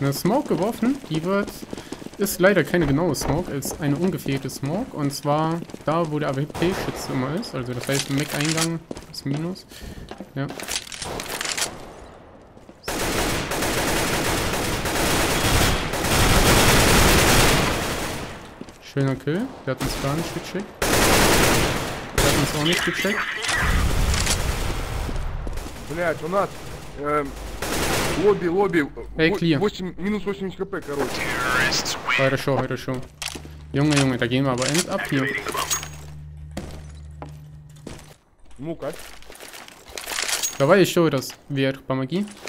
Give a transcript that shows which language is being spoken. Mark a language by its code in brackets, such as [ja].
[de] Eine Smoke geworfen, die wird... Ist leider keine genaue Smoke, ist eine ungefähre Smoke, und zwar da, wo der AWP-Schütze immer ist, also das heißt Mac-Eingang, das Minus, ja. Schöner Kill, der hat uns gar nicht gecheckt. Der hat uns auch nicht gecheckt. [ru] Блядь, у нас, Lobby, Lobby. [en] Hey, clear. [de] 8, minus 80 HP, [ru] короче. Хорошо, хорошо. [de] Junge, Junge, da gehen wir aber [en] end up [de] hier. [ru] Мука. Давай еще раз вверх, помоги.